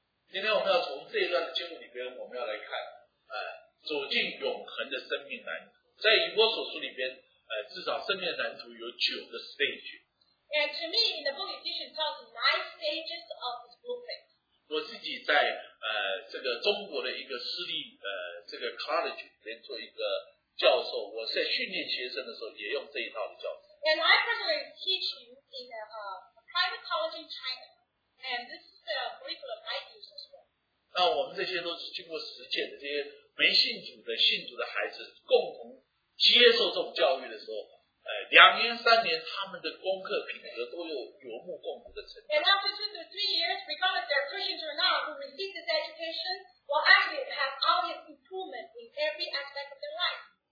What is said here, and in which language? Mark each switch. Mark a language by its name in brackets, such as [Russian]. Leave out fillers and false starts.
[Chinese] 今天我们要从这一段的经文里边，我们要来看，走进永恒的生命蓝图。在以弗所书里边，至少生命的蓝图有九个 stage。 [English] And to me, in the book Ephesians tells nine stages of this blueprint. [Chinese] 我自己在这个中国的一个私立这个 college 里边做一个教授，我在训练学生的时候也用这一套的教材。 [English] And I personally teach you in a private college in China, and this is the curriculum I use. [Chinese] 那我们这些都是经过实践的，这些没信主的、信主的孩子共同接受这种教育的时候，两年、三年，他们的功课品格都有有目共睹的成长。 [English] And after 2 to 3 years, regardless they're Christians or not, who receive this education will actually have obvious improvement in every aspect of their life.